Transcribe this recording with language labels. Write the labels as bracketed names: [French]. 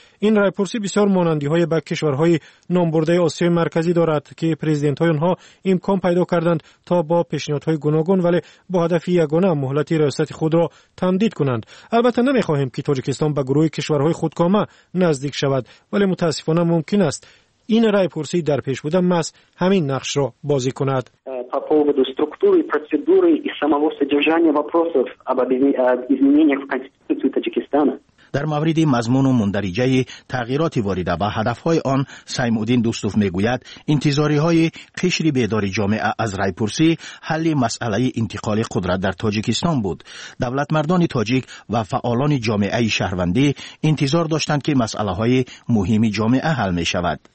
[Persian] این رای پرسی بسیار مانندی های به کشورهای نامبرده آسیای مرکزی دارد که پرزیدنت های آنها امکان پیدا کردند تا با پیشنهادهای گوناگون ولی با هدف یگانه مهلت ریاست خود را تمدید کنند. البته نمیخواهیم که تاجیکستان به گروه کشورهای خودکامه نزدیک شود، ولی متاسفانه ممکن است این رای پرسی در پیش بوده مس همین نقش را بازی کند. [Russian] поводу структуры, процедуры и самого содержания вопросов об изменениях в Конституции Таджикистана. [Persian] در مورد مضمون و مندرجه‌ی تغییرات وارده به هدف‌های آن، سیمودین دوستوف می‌گوید انتظاری‌های قشر بیدار جامعه از رای پرسی حل مسئله انتقال قدرت در تاجیکستان بود. دولت مردان تاجیک و فعالان جامعه شهروندی انتظار داشتند که مسئله‌های مهم جامعه حل می‌شود.